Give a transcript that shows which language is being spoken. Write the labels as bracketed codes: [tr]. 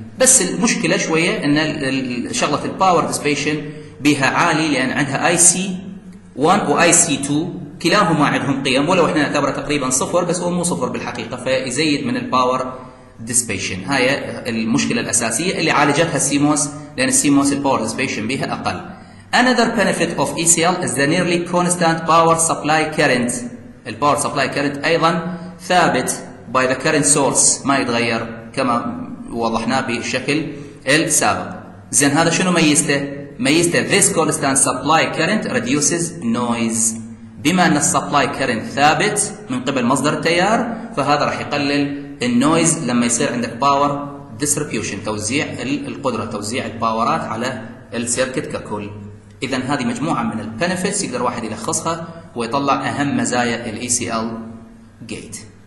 [ar] بس المشكله شويه ان شغله الباور ديسبيشن بها عالي لان عندها اي سي 1 واي سي 2 كلاهما عندهم قيم، ولو احنا نعتبره تقريبا صفر بس هو مو صفر بالحقيقه، فيزيد من الباور ديسبيشن. هاي المشكله الاساسيه اللي عالجتها السيموس، لان السيموس الباور ديسبيشن بها اقل. [en] Another benefit of ECL is the nearly constant power supply current. The power supply current [ar] أيضا ثابت [en] by the current source، [ar] ما يتغير كما وضحناه بالشكل السابق. زين هذا شنو ميزته؟ ميزته [en] this constant supply current reduces noise. [ar] بما أن supply current ثابت من قبل مصدر التيار، فهذا راح يقلل النويز لما يصير عندك power distribution، توزيع القدرة، توزيع الباورات على السيركت ككل. إذا هذه مجموعة من البنفيتس يقدر واحد يلخصها ويطلع أهم مزايا الـ ECL gate.